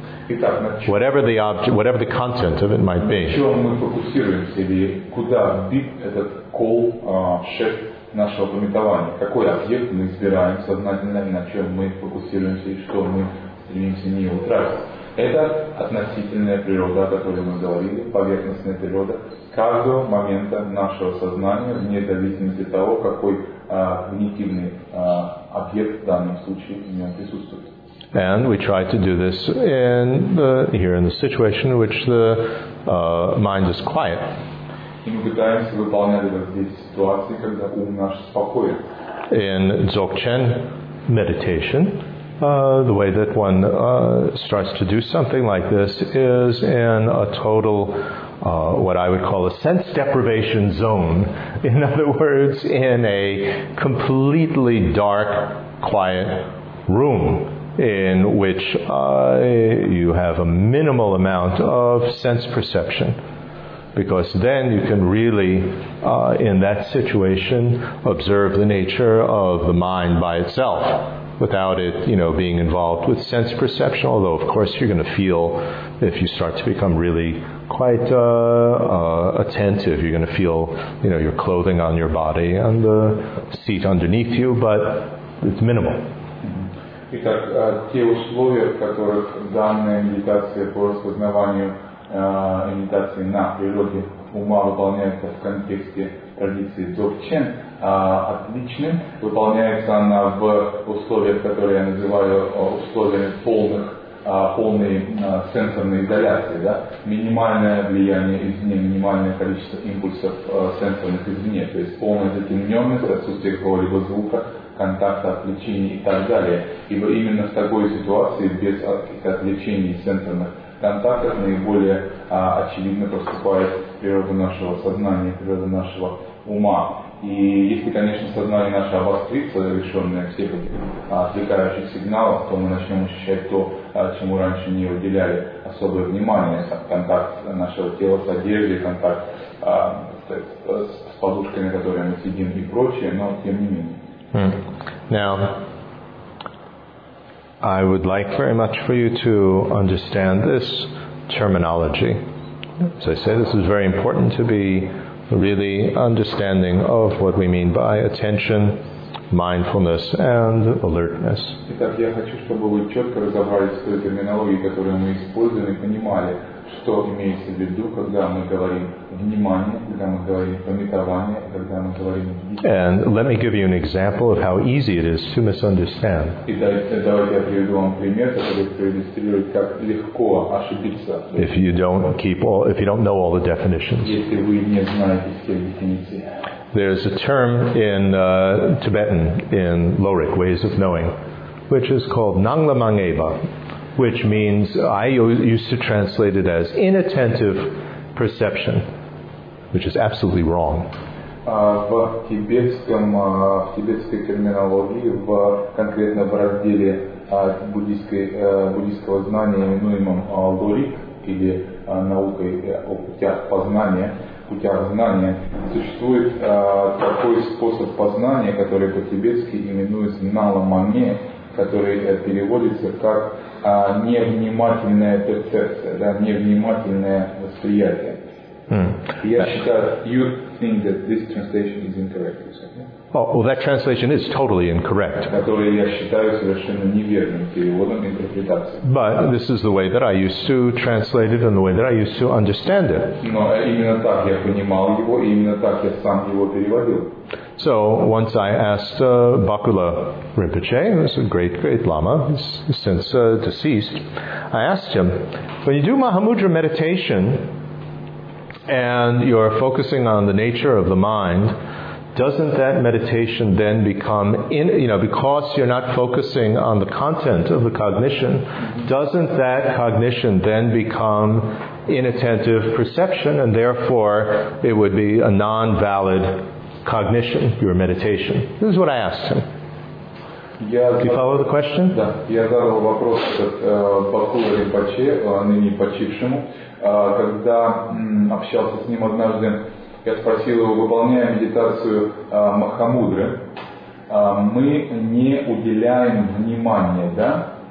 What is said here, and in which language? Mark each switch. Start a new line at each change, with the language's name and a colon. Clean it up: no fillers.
Russian: Итак,
English: whatever the object, whatever the content of it might be.
Russian: На чем мы фокусируемся, или куда вбит этот кол, шест нашего пометования? Какой объект мы избираем сознательно, на чем мы фокусируемся и что мы стремимся не утратить? Это относительная природа, о которой мы говорили, поверхностная природа каждого момента нашего сознания, вне зависимости от того, какой когнитивный объект в данном случае в нем присутствует.
English: And we try to do this in the, here in the situation in which the mind is quiet.
Russian: И мы пытаемся выполнять это здесь, в ситуации, когда ум наш спокоен.
English: In Dzogchen meditation, the way that one starts to do something like this is in a total, what I would call a sense deprivation zone. In other words, in a completely dark, quiet room in which you have a minimal amount of sense perception. Because then you can really, in that situation, observe the nature of the mind by itself, without it, you know, being involved with sense perception. Although, of course, you're going to feel, if you start to become really quite attentive, you're going to feel, you know, your clothing on your body and the seat underneath you, but it's minimal.
Russian: Итак, те условия, в которых данная медитация по распознаванию медитации на природе ума выполняется в контексте традиции Дзогчен отличным, выполняется она в условиях, которые я называю условиями полной сенсорной изоляции, да? Минимальное влияние извне, минимальное количество импульсов сенсорных извне, то есть полная затемненность, отсутствие какого-либо звука, контакта, отвлечения и так далее. Ибо именно в такой ситуации, без отвлечений сенсорных контактов, наиболее очевидно проступает природа нашего сознания, природа нашего ума. И если, конечно, сознание наше обострится, лишенное всех отвлекающих сигналов, то мы начнем ощущать то, чему раньше не уделяли особое внимание, контакт нашего тела с одеждой, контакт с подушкой, на которой мы сидим и прочее, но тем не менее.
English: Now, I would like very much for you to understand this terminology. As I say, this is very important to be really understanding of what we mean by attention, mindfulness, and alertness.
Russian: Итак, я хочу, чтобы вы четко разобрались в той терминологии, которую мы используем, и понимали, что имеется в виду, когда мы говорим внимание, когда мы говорим памятование, когда мы говорим.
English: And let me give you an example of how easy it is to misunderstand.
Russian: Итак, давайте я приведу вам пример, который проиллюстрирует, как легко ошибиться.
English: If you don't know all the definitions.
Russian: Если вы не знаете все дефиниции.
English: There's a term in Tibetan, in Lorik, ways of knowing, which is called Nanglamangeba, which means, I used to translate it as inattentive perception, which is absolutely wrong.
Russian: В тибетской терминологии, в конкретно в разделе буддийского знания, именуемом Лорик, или наукой о путях познания, путях знания, существует такой способ познания, который по-тибетски именуется наламане, который переводится как невнимательная перцепция, да, невнимательное восприятие. Я считаю,
English: you think that this translation is incorrect, you said, yeah? Oh, well, that translation is totally incorrect.
Russian: Который я считаю совершенно неверным переводом, интерпретацией.
English: But this is the way that I used to translate it and the way that I used to understand it.
Russian: Но именно так я понимал его, и именно так я сам его переводил.
English: So once I asked Bakula Rinpoche, who's a great, great lama, he's since deceased, I asked him, when you do Mahamudra meditation and you're focusing on the nature of the mind, doesn't that meditation then become, because you're not focusing on the content of the cognition, doesn't that cognition then become inattentive perception and therefore it would be a non-valid cognition, your meditation? This is what I asked him. Do you follow the question?
Russian: Да. Я задал вопрос Бакула Ринпоче, ныне почившему. Когда общался с ним однажды, я спросил его, выполняя медитацию Махамудры, мы не уделяем внимания, да?